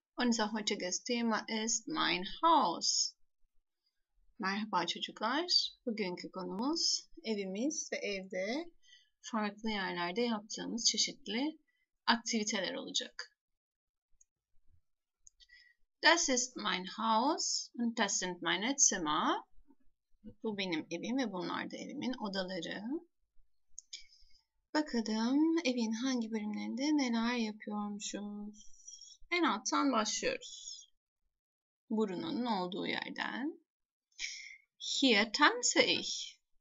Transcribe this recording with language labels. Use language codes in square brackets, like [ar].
[de] Unser heutiges Thema ist mein Haus. [tr] Merhaba çocuklar. Bugünkü konumuz evimiz ve evde farklı yerlerde yaptığımız çeşitli aktiviteler olacak. [de] Das ist mein Haus und das sind meine Zimmer. [tr] Bu benim evim ve bunlar da evimin odaları. Bakalım evin hangi bölümlerinde neler yapıyormuşuz. En alttan başlıyoruz. Burunun olduğu yerden. [de] Hier tanze ich.